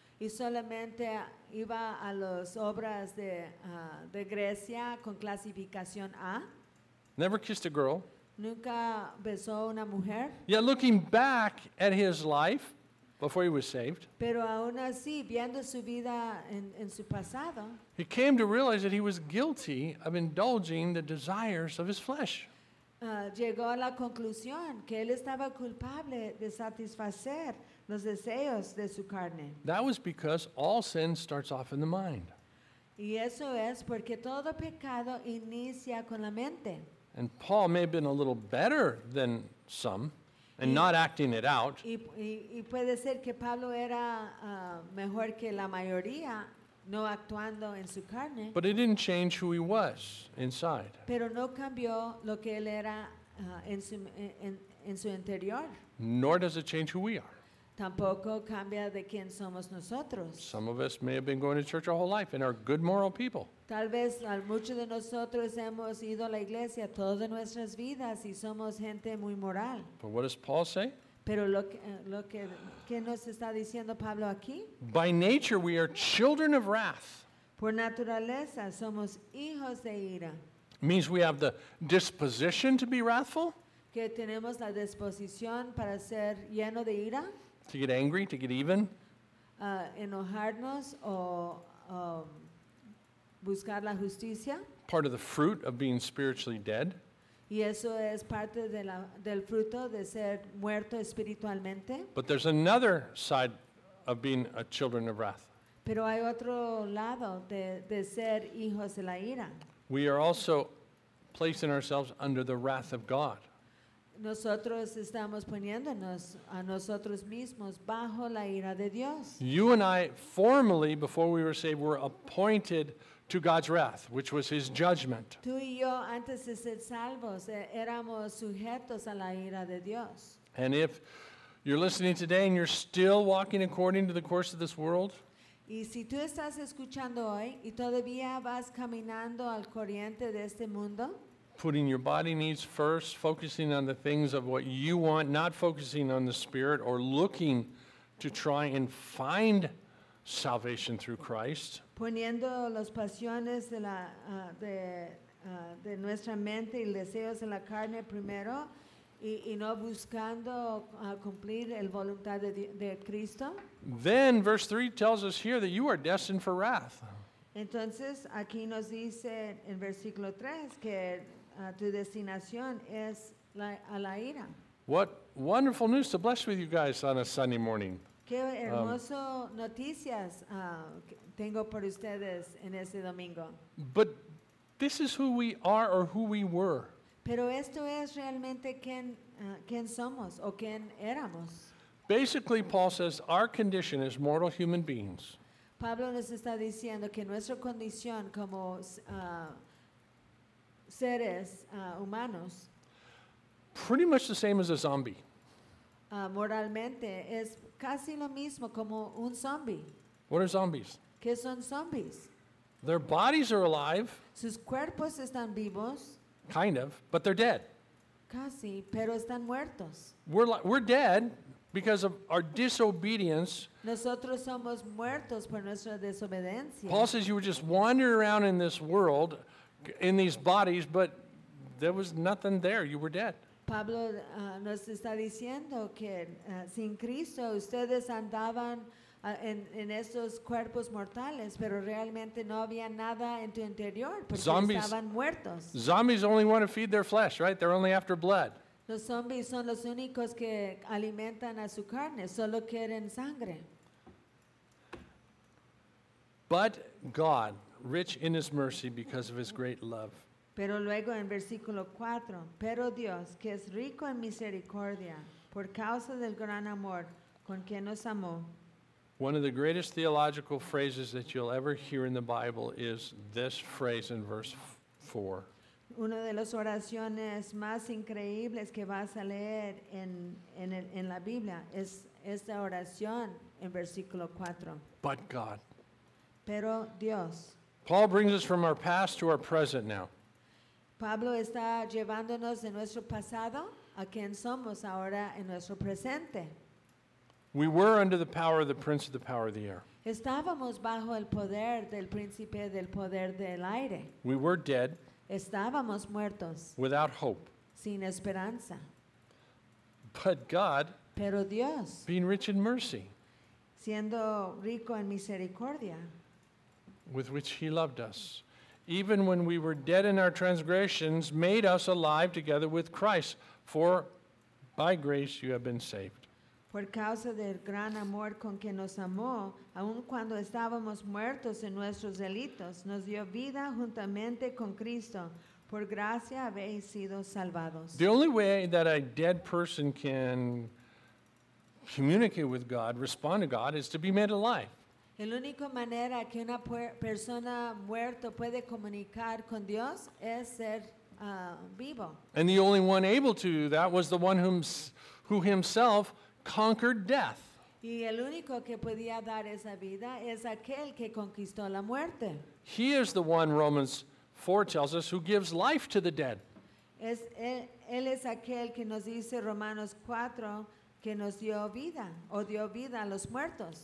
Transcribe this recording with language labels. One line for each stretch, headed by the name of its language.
Spanish: Y solamente iba a las obras de Grecia con clasificación A.
English: Never kissed a girl.
Spanish: Nunca besó una mujer.
English: Yeah, looking back at his life before he was saved.
Spanish: Pero aún así, viendo su vida en su pasado.
English: He came to realize that he was guilty of indulging the desires of his flesh.
Spanish: Llegó a la conclusión que él estaba culpable de satisfacer los deseos de su carne.
English: That was because all sin starts off in the mind.
Spanish: Y eso es porque todo pecado inicia con la mente.
English: And Paul may have been a little better than some and not acting it out.
Spanish: Y puede ser que Pablo era mejor que la mayoría no actuando en su carne.
English: But it didn't change who he was inside.
Spanish: Pero no cambió lo que él era en su interior.
English: Nor does it change who we are.
Spanish: Tampoco cambia de quién somos nosotros.
English: Some of us may have been going to church our whole life and are good moral people.
Spanish: Tal vez muchos de nosotros hemos ido a la iglesia todas nuestras vidas y somos gente muy moral.
English: But what does Paul say?
Spanish: Pero lo que nos está diciendo Pablo aquí?
English: By nature we are children of wrath.
Spanish: Por naturaleza somos hijos de ira.
English: Means we have the disposition to be wrathful.
Spanish: Que tenemos la disposición para ser lleno de ira.
English: To get angry, to get even.
Spanish: Enojarnos o buscar la justicia.
English: Part of the fruit of being spiritually dead.
Spanish: Y eso es parte del fruto de ser muerto espiritualmente.
English: But there's another side of being a children of wrath.
Spanish: Pero hay otro lado de ser hijos de la ira.
English: We are also placing ourselves under the wrath of God.
Spanish: Nosotros estamos poniéndonos a nosotros mismos bajo la ira de Dios.
English: You and I, formerly, before we were saved, were appointed to God's wrath, which was His judgment.
Spanish: Tú y yo, antes de ser salvos, éramos sujetos a la ira de Dios.
English: And if you're listening today and you're still walking according to the course of this world,
Spanish: y si tú estás escuchando hoy y todavía vas caminando al corriente de este mundo,
English: putting your body needs first, focusing on the things of what you want, not focusing on the Spirit or looking to try and find salvation through Christ,
Spanish: poniendo las pasiones de la de nuestra mente y deseos en la carne primero y no buscando cumplir el voluntad de Cristo.
English: Then verse 3 tells us here that you are destined for wrath.
Spanish: Entonces aquí nos dice en versículo 3 que tu destinación es a la ira.
English: What wonderful news to bless with you guys on a Sunday morning.
Spanish: Qué hermoso noticias tengo por ustedes en ese domingo.
English: But this is who we are or who we were.
Spanish: Pero esto es realmente quién somos o quién éramos.
English: Basically, Paul says our condition as mortal human beings.
Spanish: Pablo nos está diciendo que nuestra condición como seres humanos.
English: Pretty much the same as a zombie.
Spanish: Moralmente es casi lo mismo como un zombie.
English: What are zombies?
Spanish: ¿Qué son zombies?
English: Their bodies are alive.
Spanish: Sus cuerpos están vivos.
English: Kind of, but they're dead.
Spanish: Casi, pero están muertos.
English: We're dead because of our disobedience.
Spanish: Nosotros somos muertos por nuestra desobediencia.
English: Paul says you were just wandering around in this world, in these bodies, but there was nothing there. You were dead.
Spanish: Pablo nos está diciendo que sin Cristo ustedes andaban en estos cuerpos mortales, pero realmente no había nada en tu interior porque zombies, estaban muertos.
English: Zombies only want to feed their flesh, right? They're only after blood.
Spanish: Los zombies son los únicos que alimentan a su carne, solo quieren sangre.
English: But God, rich in his mercy because of his great love.
Spanish: Pero luego en versículo 4, pero Dios, que es rico en misericordia, por causa del gran amor con que nos amó.
English: One of the greatest theological phrases that you'll ever hear in the Bible is this phrase in verse 4.
Spanish: Una de las oraciones más increíbles que vas a leer en la Biblia es esta oración en versículo 4.
English: But God.
Spanish: Pero Dios.
English: Paul brings us from our past to our present now.
Spanish: Pablo está llevándonos de nuestro pasado a quien somos ahora en nuestro presente.
English: We were under the power of the prince of the power of the air.
Spanish: Estábamos bajo el poder del príncipe del poder del aire.
English: We were dead.
Spanish: Estábamos muertos.
English: Without hope.
Spanish: Sin esperanza.
English: But God,
Spanish: pero Dios,
English: being rich in mercy,
Spanish: siendo rico en misericordia,
English: with which he loved us, even when we were dead in our transgressions, made us alive together with Christ. For by grace you have been saved.
Spanish: Por causa del gran amor con que nos amó, aun cuando estábamos muertos en nuestros delitos, nos dio vida juntamente con Cristo. Por gracia habéis sido salvados.
English: The only way that a dead person can communicate with God, respond to God, is to be made alive.
Spanish: La única manera que una persona muerta puede comunicar con Dios es ser vivo.
English: And the only one able to do that was the one who himself conquered death.
Spanish: Y el único que podía dar esa vida es aquel que conquistó la muerte.
English: He is the one, Romans 4 tells us, who gives life to the dead.
Spanish: Él es aquel que nos dice Romanos 4 que nos dio vida o dio vida a los muertos.